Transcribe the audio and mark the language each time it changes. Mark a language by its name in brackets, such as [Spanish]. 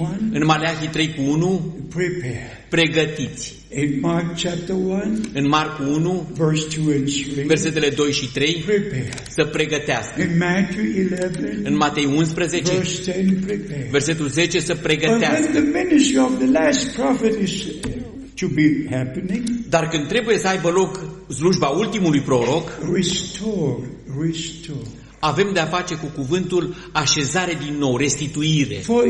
[Romanian] În Maleahii 3 cu 1, pregătiți. [English] In Mark chapter 1, [Romanian] în Marcu 1, [English] verse 2 and 3, [Romanian] versetele 2 și 3, [English] prepare. [Romanian] Să pregătească. [English] In Matthew 11, [Romanian] în Matei 11, [English] verse 10, prepare. [Romanian] Versetul 10, să pregătească. [English] But when the ministry of the last prophet is to be happening, [Romanian] dar când trebuie să aibă loc slujba ultimului proroc, [English] restore. [Romanian] Avem de a face cu cuvântul așezare din nou, restituire.